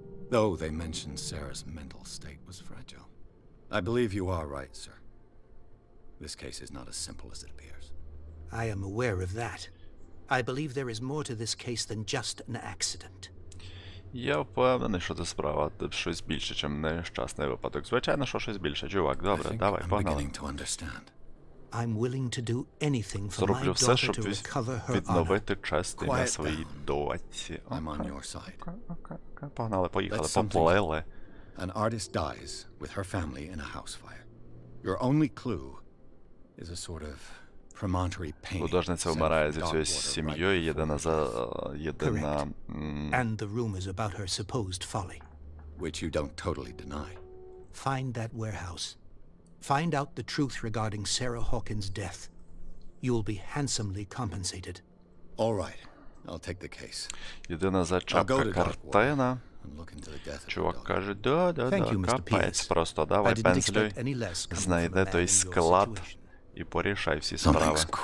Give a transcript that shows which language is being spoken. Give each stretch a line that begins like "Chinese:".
English: Though they mentioned Sarah's mental state was fragile. I believe you are right, sir. This case is not as simple as it appears. I am aware of that. I believe there is more to this case than just an accident.
Ukrainian: Я впевнений, що це справа щось більше, чим нещасний випадок. Звичайно, що щось більше, чувак. Добре, давай, погнали.
English: I'm beginning to understand. I'm willing to do anything for my daughter to recover her honor.
Ukrainian: Відновити честь для своєї доньки.
English: I'm on your side. Okay.
Ukrainian: Погнали, поїхали, поплили.
English: An artist dies with her family in a house fire. Your only clue is a sort of promontory painting.
Ukrainian: Художниця вмирає зі своєю сім'єю, єдина.
English: And the rumors about her supposed folly, which you don't totally deny. Find that warehouse. Find out the truth regarding Sarah Hawkins' death. You will be handsomely compensated. All right, I'll take the case.
Ukrainian: Єдина зачапка картина. Чувак каже, да, капець, просто давай, пензлюй, знайди той склад і порішай всі справи.